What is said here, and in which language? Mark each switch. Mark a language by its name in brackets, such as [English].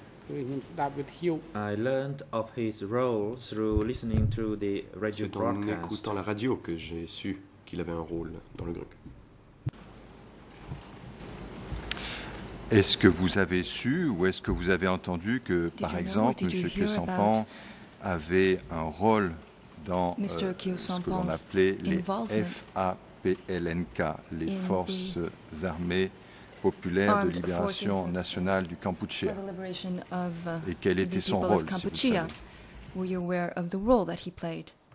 [English] I learned of his role through listening to the radio [French] c'est [English] broadcast. [French] En écoutant la radio que j'ai su qu'il avait un rôle dans le GRUNC. Est-ce que vous avez su ou est-ce que vous avez entendu que, [English] did [French] par exemple, M. Kyosampan avait un rôle dans ce que l'on appelait les FAPLNK, les Forces Armées Populaires de Libération Nationale du Kampuchea, et quel était son rôle, si vous savez? [English] Were you aware of the role that he played?